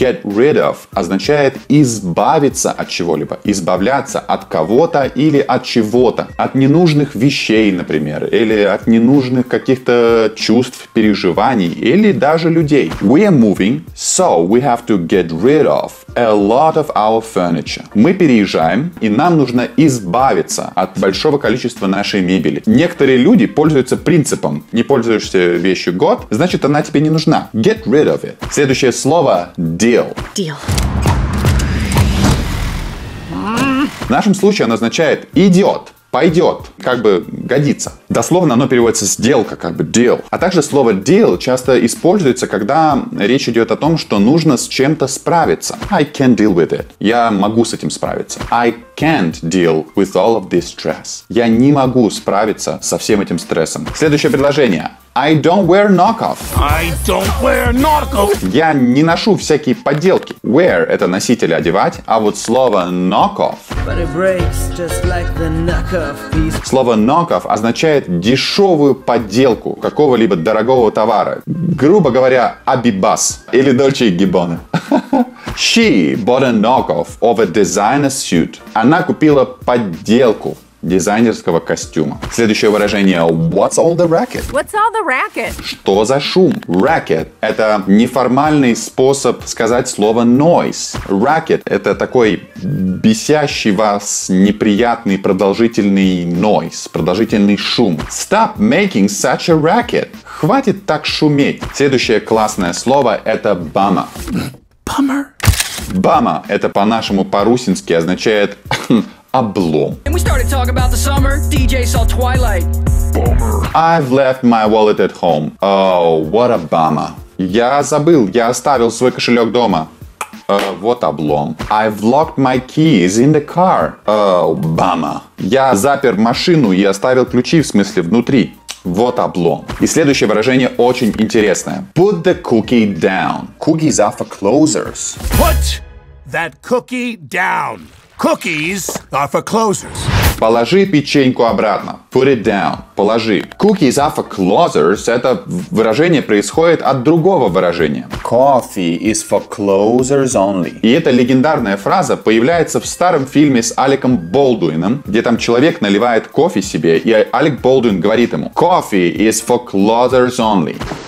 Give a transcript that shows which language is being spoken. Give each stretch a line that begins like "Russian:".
English: get rid of
Russian: означает избавиться от чего-либо, избавляться от кого-то или от чего-то, от ненужных вещей, например, или от ненужных каких-то чувств, переживаний, или даже людей.
English: We are moving, so we have to get rid of a lot of our furniture.
Russian: Мы переезжаем, и нам нужно избавиться от большого количества нашей мебели. Некоторые люди пользуются принципом: не пользуешься вещью год, значит, она тебе не нужна.
English: Get rid of it.
Russian: Следующее слово – deal.
English: Deal.
Russian: В нашем случае оно означает «идиот», «пойдет», как бы «годится». Дословно оно переводится «сделка», как бы «deal». А также слово «deal» часто используется, когда речь идет о том, что нужно с чем-то справиться.
English: I can deal with it.
Russian: Я могу с этим справиться.
English: I can't deal with all of this stress.
Russian: Я не могу справиться со всем этим стрессом. Следующее предложение.
English: I don't wear knockoff. I don't wear knockoff.
Russian: Я не ношу всякие подделки. Wear – это носить или одевать, а вот слово knockoff.
English: But it breaks just like the knockoff piece.
Russian: Слово knockoff означает дешевую подделку какого-либо дорогого товара. Грубо говоря, Abibas или Dolce & Gabbana.
English: She bought a knockoff of a designer suit.
Russian: Она купила подделку дизайнерского костюма. Следующее выражение.
English: What's all the racket? What's all the racket?
Russian: Что за шум? Racket – это неформальный способ сказать слово noise. Racket – это такой бесящий вас неприятный продолжительный noise, продолжительный шум. Stop making such a racket. Хватит так шуметь. Следующее классное слово – это bummer.
English: Bummer?
Russian: Bummer – это по-нашему по-русински означает... облом.
English: And we started talking about the summer. DJ saw Twilight. Bummer. I've left my wallet at home. Oh, what a bummer.
Russian: Я забыл, я оставил свой кошелек дома. Вот облом.
English: I've locked my keys in the car. Oh, bummer.
Russian: Я запер машину и оставил ключи, в смысле, внутри. Вот облом. И следующее выражение очень интересное.
English: Put the cookie down. Cookies are for closers. Put that cookie down. Cookies are for closers.
Russian: Положи печеньку обратно.
English: Put it down.
Russian: Положи.
English: Cookies are for closers.
Russian: Это выражение происходит от другого выражения.
English: Coffee is for closers only.
Russian: И эта легендарная фраза появляется в старом фильме с Алеком Болдуином, где там человек наливает кофе себе, и Алек Болдуин говорит ему:
English: Coffee is for closers only.